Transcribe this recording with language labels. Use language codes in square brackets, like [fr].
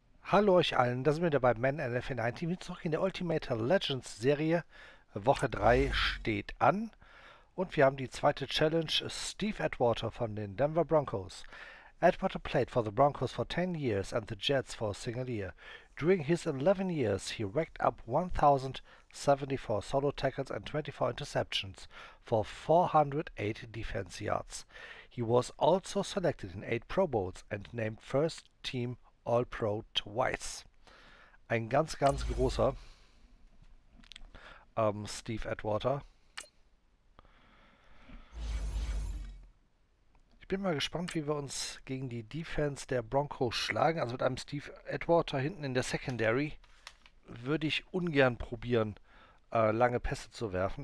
[de] Hallo euch allen, da sind wir dabei Man Elephant 9 Team zurück in der Ultimate Legends Serie. Woche 3 steht an und wir haben die zweite Challenge. Steve Atwater von den Denver Broncos. [en] Atwater played for the Broncos for 10 years and the Jets for a single year. During his 11 years, he racked up 1074 solo tackles and 24 interceptions for 408 defense yards. He was also selected in 8 Pro Bowls and named First Team All Pro twice. [de] Ein ganz, ganz großer Steve Atwater. Ich bin mal gespannt, wie wir uns gegen die Defense der Broncos schlagen. Also mit einem Steve Atwater hinten in der Secondary würde ich ungern probieren, lange Pässe zu werfen.